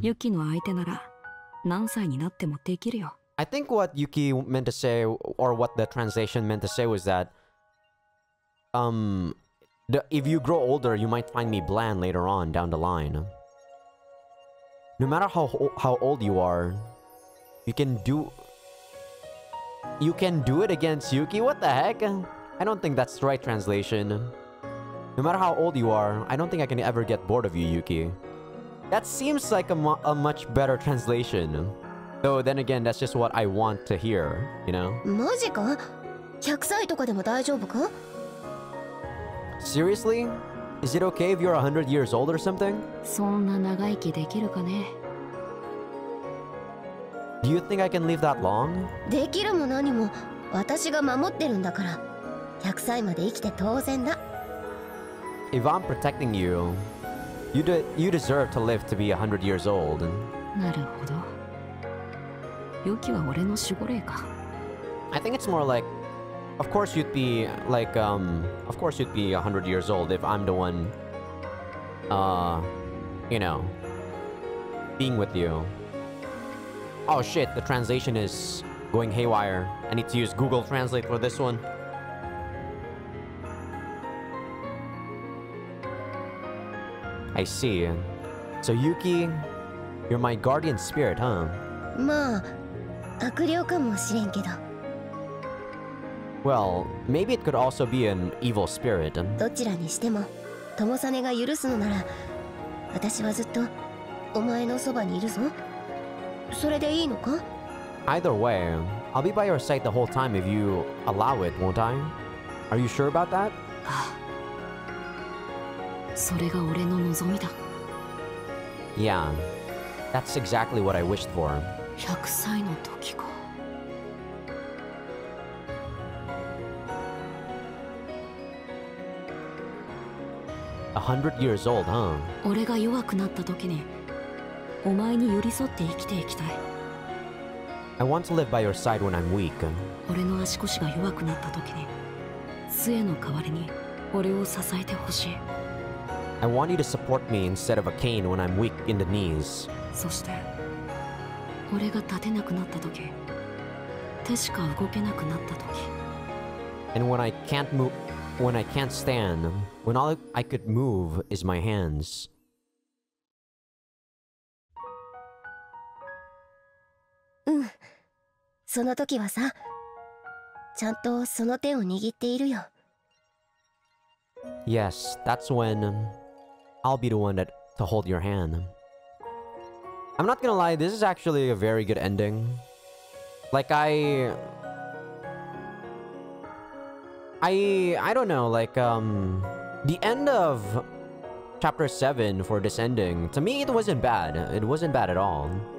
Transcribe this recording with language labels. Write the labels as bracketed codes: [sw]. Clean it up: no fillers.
[ja] Yuki の相手なら何歳になってもできるよ。 [en] I think what Yuki meant to say, or what the translation meant to say, was that, if you grow older, you might find me bland later on down the line. No matter how old you are, you can do it against Yuki? What the heck? I don't think that's the right translation. No matter how old you are, I don't think I can ever get bored of you, Yuki. That seems like a much better translation. Though then again, that's just what I want to hear, you know? [ja] マジか ?100 歳とかでも大丈夫か [en] Seriously? Is it okay if you're 100 years old or something? [ja] そんな長生きできるかね? [en] Do you think I can live that long? [ja] できるも何も、私が守ってるんだから。100 100歳まで生きて当然だ。 [en] If I'm protecting you, you deserve to live to be 100 years old. [ja] なるほど。良きは俺の守護霊か。 [en] I think it's more like, of course you'd be like, of course you'd be 100 years old if I'm the one, you know, being with you. Oh shit, the translation is going haywire. I need to use Google Translate for this one. I see. So Yuki, you're my guardian spirit, huh? [ja] まあ、悪霊かもしれんけど。 [en] Well, maybe it could also be an evil spirit. [ja] どちらにしても、トモサネが許すのなら、私はずっとお前のそばにいるぞ。それでいいのか? [en] Either way, I'll be by your side the whole time if you allow it, won't I? Are you sure about that? [ja] それが俺の望みだ。 [en] Yeah, that's exactly what I wished for. [ja] 100歳の時か。 [en] 100 years old, huh? [ja] 俺が弱くなった時にお前に寄り添って生きていきたい。 [en] I want to live by your side when I'm weak. [ja] 俺の足腰が弱くなった時に杖の代わりに俺を支えてほしい。 [en] I want you to support me instead of a cane when I'm weak in the knees. [ja] そして俺が立てなくなった時、手しか動けなくなった時、 [en] And when I can't move, when I can't stand, when all I could move is my hands. [ja] うん、その時はさ、ちゃんとその手を握っているよ。 [en] Yes, that's when I'll be the one that to hold your hand. I'm not gonna lie, this is actually a very good ending. Like I don't know, like the end of chapter 7 for this ending, to me it wasn't bad. It wasn't bad at all.